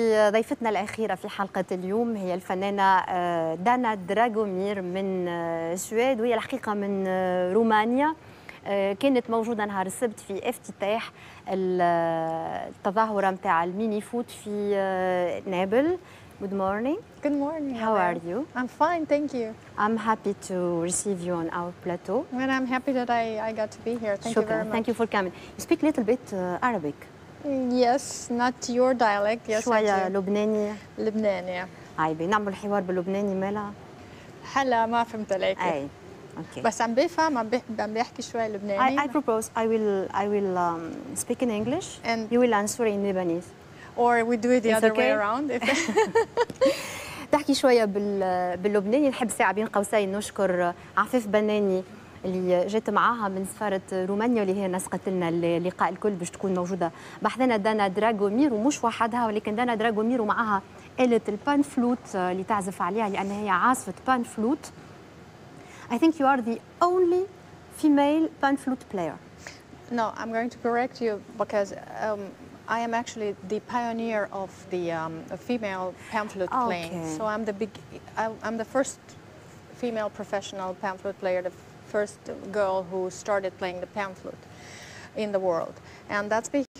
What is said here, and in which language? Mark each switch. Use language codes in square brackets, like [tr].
[ar] ضيفتنا الأخيرة في حلقة اليوم هي الفنانة دانا دراغومير من السويد، وهي الحقيقة من رومانيا، كانت موجودة نهار السبت في افتتاح التظاهرة متاع الميني فوت في نابل. [en] Good morning. Good morning. How are you? I'm fine, thank you. I'm happy to receive you on our plateau. And I'm happy that I got to be here. Thank you very much. Thank you for coming. You speak a little bit Arabic. Yes, not your dialect. Yes, [ar] شوية لبناني. لبناني. عيبي نعمل حوار باللبناني مالا؟ هلا ما فهمت عليك. أي. [en] Okay. [ar] بس عم بفهم عم بحكي شوية لبناني. [en] I propose I will speak in English and you will answer in Lebanese. Or we do it the other way around. [ar] تحكي شوية باللبناني، نحب ساعة بين قوسين نشكر عفيف بناني اللي جات معاها من سفارة رومانيا اللي هي نسقت لنا اللقاء الكل باش تكون موجودة بحثنا دانا دراغومير، ومش وحدها ولكن دانا دراغومير ومعها آلة البان فلوت اللي تعزف عليها لأن هي عازفة بان فلوت. [en] I think you are the only female pan flute player. No, I'm going to correct you because I am actually the pioneer of the female pan flute playing. Okay. So I'm the first female professional pan flute player, the first girl who started playing the pan flute in the world, and that's because